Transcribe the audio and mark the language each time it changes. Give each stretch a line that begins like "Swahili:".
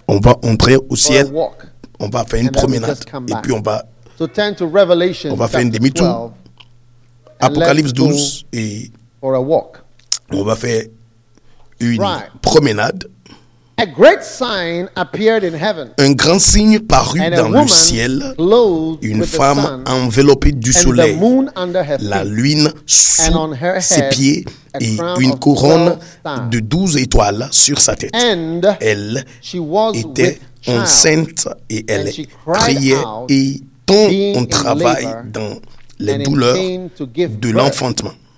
French: On va entrer au ciel, on va faire une promenade et puis on va,
English: so turn to Revelation,
French: on va faire une demi-tour. Apocalypse 12 et
English: for a walk.
French: On va faire une promenade.
English: A great sign appeared in heaven.
French: Un grand signe parut dans le ciel, une femme enveloppée du soleil, la lune sous ses pieds et une couronne de 12 étoiles sur sa tête. Elle était enceinte et elle criait et tant on travaille dans les douleurs de l'enfantement.